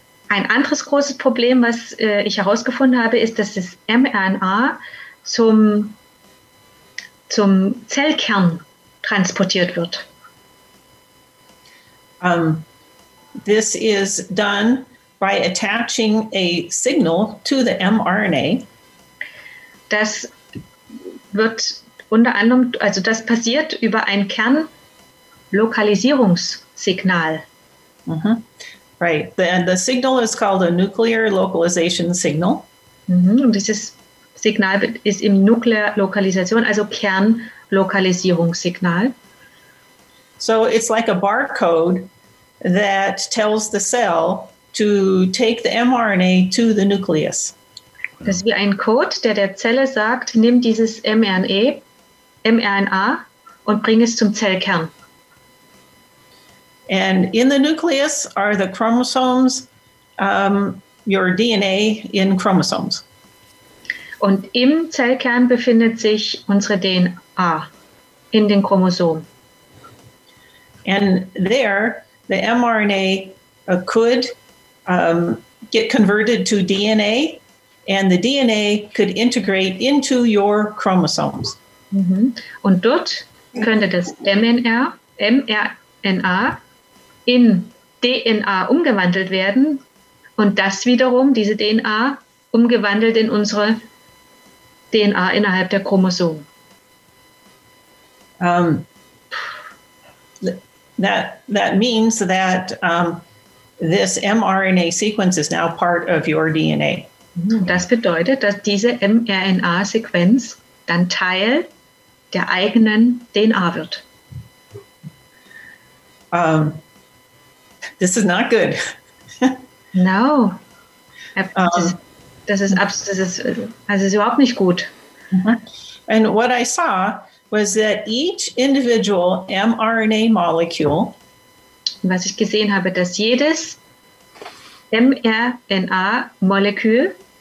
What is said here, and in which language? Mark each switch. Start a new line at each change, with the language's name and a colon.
German: Ein anderes großes Problem, was ich herausgefunden habe, ist, dass das mRNA zum Zellkern transportiert wird.
English: This is done by attaching a signal to the mRNA.
German: Das wird unter anderem, also das passiert über ein Kernlokalisierungssignal.
English: Mm-hmm. Right. The signal is called a nuclear localization signal.
German: Mm-hmm. Und dieses Signal ist im Nuklearlokalisation, also Kernlokalisierungssignal.
English: So it's like a barcode that tells the cell to take the mRNA to the nucleus.
German: Das ist wie ein Code, der der Zelle sagt, nimm dieses mRNA und bring es zum Zellkern.
English: And in the nucleus are the chromosomes, your DNA in chromosomes.
German: Und im Zellkern befindet sich unsere DNA in den Chromosomen.
English: And there, the mRNA could get converted to DNA, and the DNA could integrate into your chromosomes. Mm-hmm.
German: Und dort könnte das mRNA in DNA umgewandelt werden und das wiederum, diese DNA, umgewandelt in unsere DNA innerhalb der Chromosomen.
English: That means that this mRNA sequence is now part of your DNA.
German: Das bedeutet, dass diese mRNA-Sequenz dann Teil der eigenen DNA wird.
English: This is not good.
German: No. Das ist überhaupt nicht gut.
English: And what I saw was that each individual mRNA molecule,
German: was ich gesehen habe, dass jedes mRNA-Molekül